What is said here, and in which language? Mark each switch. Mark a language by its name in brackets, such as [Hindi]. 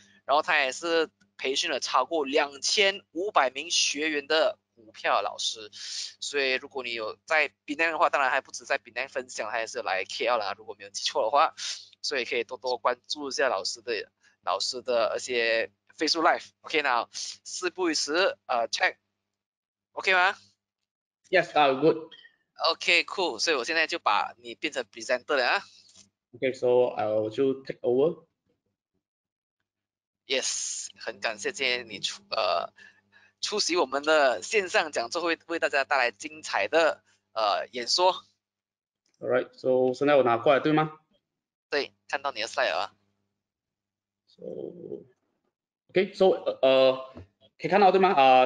[Chinese] 然后他也是培训了超过2500名学员的股票老师，所以如果你有在 Binance 的话，当然还不止在 Binance 分享，他也是来 KL 啦，如果没有记错的话，所以可以多多关注一下老师的一些 Facebook Live，OK 呢？事不宜迟，check，OK 吗 [English] Yes, I'm good. [Chinese] ？OK cool，所以我现在就把你变成 presenter 了啊。 [English] Okay, so I'll just take over. [Chinese] Yes，很感谢今天你出席我们的线上讲座，会为大家带来精彩的演说。 All right, so 现在我拿过来对吗对，看到你的 slide 啊。？So, okay, so 可以看到对吗？